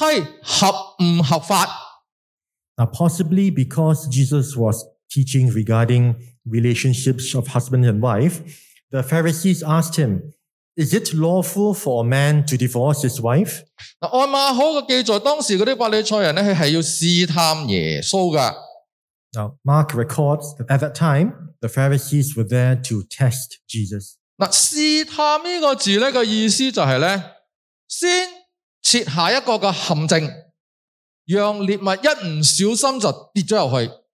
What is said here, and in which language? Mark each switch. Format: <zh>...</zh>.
<yue>好大可能耶稣当时咧喺个教导当中咧就有讲到关于夫妻相处嘅课题啊，法利赛人就问呢个耶稣，男人休妻合唔合法</yue> <en>？Now possibly because Jesus was teaching regarding relationships of husband and wife, the Pharisees asked him, Is it lawful for a man to divorce his wife?</en> <yue>按马可的记载，当时嗰啲法利赛人咧，佢系要试探耶稣噶。</yue> <en>Now Mark records that at that time the Pharisees were there to test Jesus.</en> <yue>嗱，试探呢个字咧嘅意思就系咧，先设下一个嘅陷阱，让猎物一唔小心就跌咗入去。</yue>